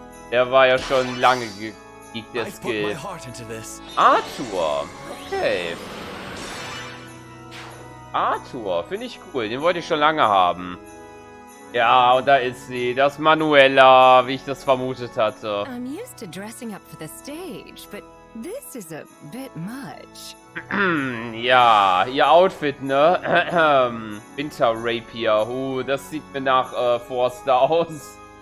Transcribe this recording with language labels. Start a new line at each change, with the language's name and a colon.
German: Der war ja schon lange gekriegt, der Skill. Arthur. Okay. Arthur, finde ich cool. Den wollte ich schon lange haben. Ja, und da ist sie, das Manuela, wie ich das vermutet hatte.
English: I'm used to dressing up for the stage, but this is a bit much.
German: Ja, ihr Outfit, ne? Winter Rapier, das sieht mir nach Forster aus.